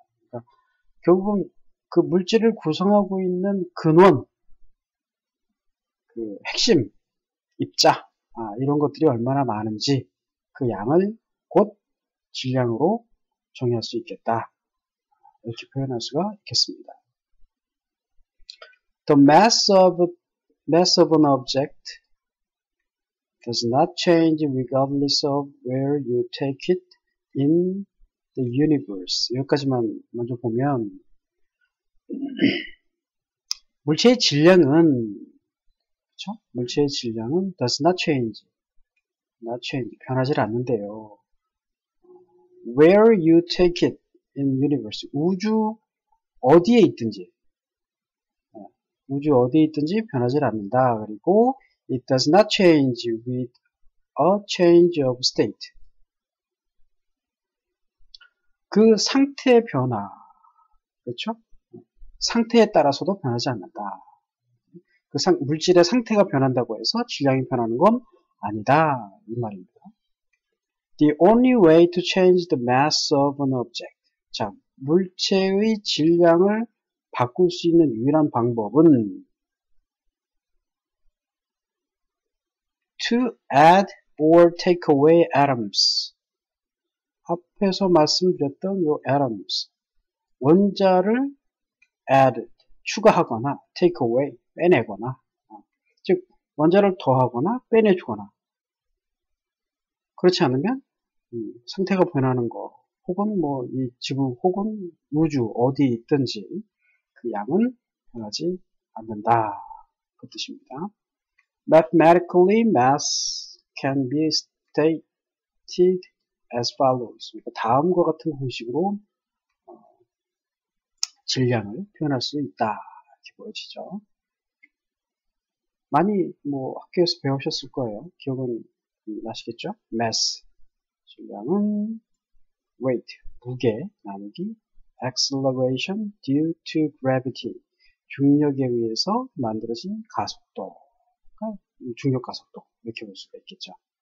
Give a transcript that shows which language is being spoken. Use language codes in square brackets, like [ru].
[ko] 그러니까 결국은 그 물질을 구성하고 있는 근원, 그 핵심, 입자, 이런 것들이 얼마나 많은지 그 양을 곧 질량으로 정의할 수 있겠다. 이렇게 표현할 수가 있겠습니다. [en] The mass of an object does not change regardless of where you take it in the universe. [ko] 여기까지만 먼저 보면 물체의 질량은 그렇죠? 물체의 질량은 [en] does not change [ko] 변하지 않는데요. [en] Where you take it in universe [ko] 우주 어디에 있든지 우주 어디에 있든지 변하지 않는다. [en] 그리고 it does not change with a change of state. [ko] 그 상태의 변화, 그렇죠? 상태에 따라서도 변하지 않는다. 그 물질의 상태가 변한다고 해서 질량이 변하는 건 아니다. 이 말입니다. [en] The only way to change the mass of an object. [ko] 자, 물체의 질량을 바꿀 수 있는 유일한 방법은 [en] to add or take away atoms. [ko] 앞에서 말씀드렸던 요 atoms. 원자를 add, 추가하거나 take away, 빼내거나 즉 원자를 더하거나 빼내주거나 그렇지 않으면 상태가 변하는 거 혹은 뭐 이 지구 혹은 우주 어디 있든지 그 양은 변하지 않는다 그 뜻입니다. [en] Mathematically, mass can be stated as follows. [ko] 다음과 같은 공식으로 질량을 표현할 수 있다 이렇게 보여지죠. 많이 뭐 학교에서 배우셨을 거예요. 기억은 나시겠죠? mass 질량은 weight 무게 나누기 acceleration due to gravity 중력에 의해서 만들어진 가속도 중력 가속도 이렇게 볼 수가 있겠죠.